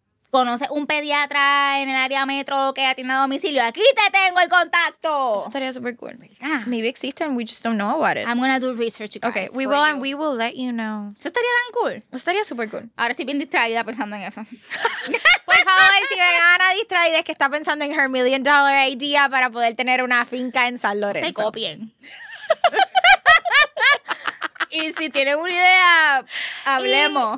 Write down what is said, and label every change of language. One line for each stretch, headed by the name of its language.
Spanish: ¿Conoces un pediatra en el área metro que atiende a domicilio? ¡Aquí te tengo el contacto! Eso estaría super cool.
English: Yeah. Maybe
Spanish: existen,
English: we just don't know about it. I'm gonna do research, guys. Okay, we will, and we will let you know.
Spanish: Eso estaría tan cool. Eso estaría super cool. Ahora estoy bien distraída pensando en eso. Por favor, si ven a Ana distraída, es que está pensando en
English: her million dollar idea
Spanish: para poder tener una finca en San Lorenzo. Se copien. Y si tienen una idea, hablemos.